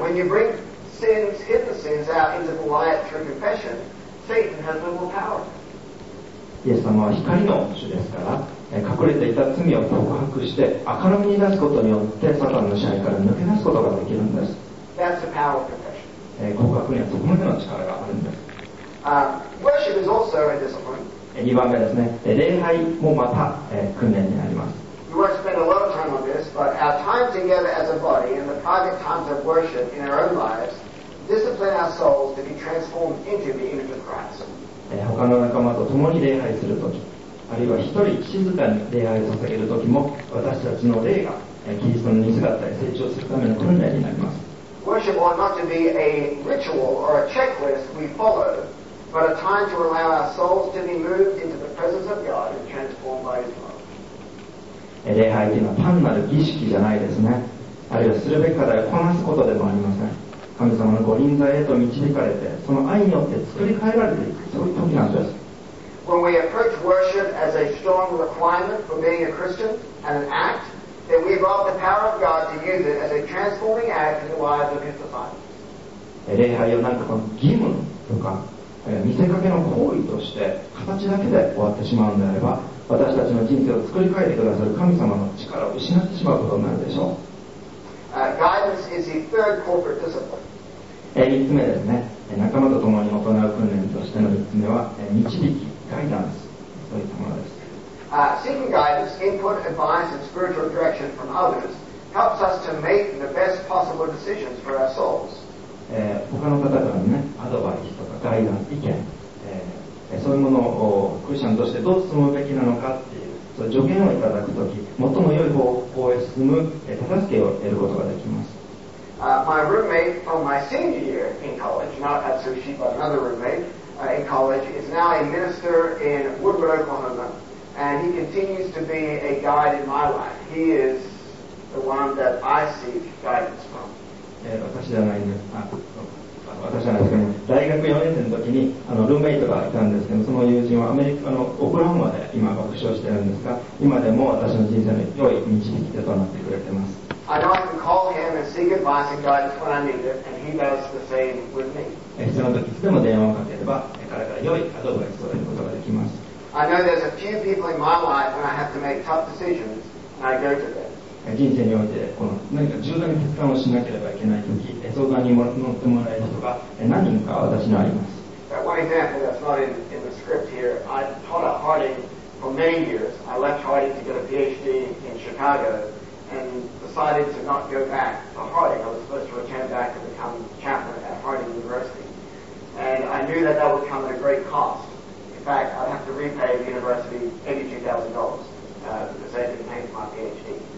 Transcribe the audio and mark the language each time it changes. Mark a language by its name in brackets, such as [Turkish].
[English] When you bring sins, hidden sins out into the light through confession [Japanese] イエス様は光の主ですから、隠れていた罪を告白して明るみに出すことによってサタンの支配から抜け出すことができるんです。 [English] That's the power of confession. [Japanese] 告白にはそこまでの力があるんです。 [English] Worship is also a discipline. [Japanese] 2番目ですね、礼拝もまた、訓練になります。 [English] We won't spend a lot of time on this, but our time together as a body and the private times of worship in our own lives. [Japanese] 他の仲間と共に礼拝するとき、あるいは一人静かに礼拝を捧げるときも、私たちの霊がキリストの姿へ成長するための訓練になります。 [English] Worship ought not to be a ritual or a checklist we follow, but a time to allow our souls to be moved into the presence of God and transformed by His love. [Japanese] 礼拝というのは単なる儀式じゃないですね。あるいはするべき課題をこなすことでもありません。神様のご臨在へと導かれて、その愛によって作り変えられていく、そういう時なんです。 [English] When we approach worship as a strong requirement for being a Christian and an act,that we evolve the power of God to use it as a transforming act in the lives of His disciples. [Japanese] 礼拝をなんかこの義務とか見せかけの行為として形だけで終わってしまうのであれば、私たちの人生を作り変えてくださる神様の力を失ってしまうことになるでしょう。 [English] Guidance is the third corporate discipline. [Japanese] 3つ目ですね。仲間と共に行う訓練としての3つ目は、導き、ガイダンス、そういったものです。 [English] Seeking guidance, input, advice, and spiritual direction from others helps us to make the best possible decisions for our souls. [Japanese] 他の方からのね、アドバイスとかガイダンス、意見、そういうものをクリスチャンとしてどう進むべきなのかっていう、そう助言をいただくとき、最も良い方向へ進む、手助けを得ることができます。 [English] My roommate from my senior year in college, not Atsushi, but another roommate in college, is now a minister in Woodward, Oklahoma. And he continues to be a guide in my life. He is the one that I seek guidance from. [Japanese] 私じゃないんです。大学4年生の時にルーメイトがいたんですけど、その友人はアメリカのオクラホマで今牧師をしているんですが、今でも私の人生の良い導き手となってくれています。 [English] I know I can call him and seek advice and guidance when I need it, and he does the same with me. [Japanese] 必要な時いつでも電話をかければ、彼から良いアドバイスを得ることができます。 [English] I know there's a few people in my life when I have to make tough decisions and I go to them. [Japanese] 人生においてこの何か重大な決断をしなければいけない時、相談に乗ってもらえる人が何人か私にあります。 [English] One example that's not in the script here, I taught at Harding for many years. I left Harding to get a PhD in Chicago and decided to not go back to Harding. I was supposed to return back to become chaplain at Harding University. And I knew that would come at a great cost. In fact, I'd have to repay the university $82,000because they didn't pay for my PhD.